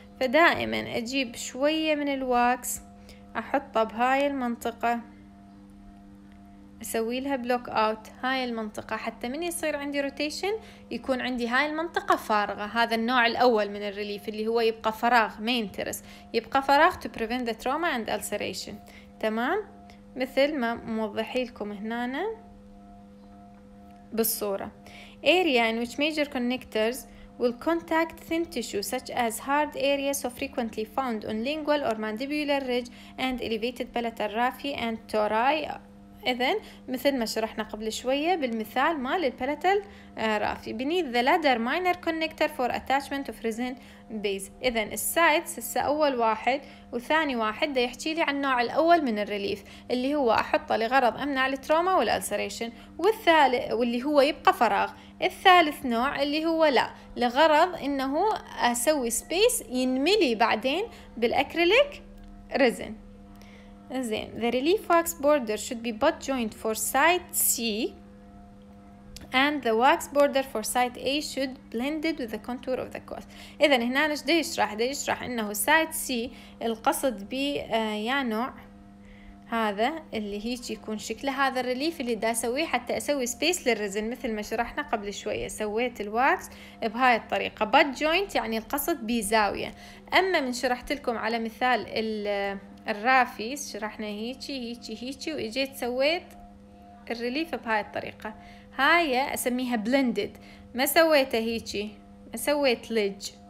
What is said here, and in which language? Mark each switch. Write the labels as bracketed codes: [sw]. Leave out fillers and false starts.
[ar] فدائما أجيب شوية من الواكس أحطه بهاي المنطقة، أسوي لها بلوك أوت هاي المنطقة، حتى من يصير عندي روتيشن يكون عندي هاي المنطقة فارغة. هذا النوع الأول من الريليف اللي هو يبقى فراغ، ما ينترس، يبقى فراغ to prevent the trauma and ulceration، تمام؟ مثل ما موضحي لكم هنا بالصورة. [en] Area in which major connectors will contact thin tissue such as hard area so frequently found on lingual or mandibular ridge and elevated palatal raphe and tori. [ar] إذن مثل ما شرحنا قبل شوية بالمثال مال البلاتل رافي. [en] beneath the ladder minor connector for attachment of resin base. [ar] إذن السايتس هسه أول واحد وثاني واحد ده يحكي لي عن النوع الأول من الريليف اللي هو أحطه لغرض أمنع التروما والألسريشن، والثالث واللي هو يبقى فراغ، الثالث نوع اللي هو لا، لغرض إنه أسوي سبيس ينملي بعدين بالأكريليك رزن. [en] Then the relief wax border should be butt joint for site C and the wax border for site A should blended with the contour of the cost. [ar] إذن هنا ايش ده يشرح؟ ده يشرح انه site C القصد ب يا نوع هذا اللي هيك يكون شكله هذا الريليف اللي دا اسويه حتى اسوي سبيس للرزن، مثل ما شرحنا قبل شوية سويت الواكس بهاي الطريقة. butt joint يعني القصد بزاوية. اما من شرحت لكم على مثال الرافيس شرحنا هيجي هيجي هيجي واجيت سويت الريليف بهاي الطريقة، هاي اسميها بلندد، ما سويتها هيجي، ما سويت لج،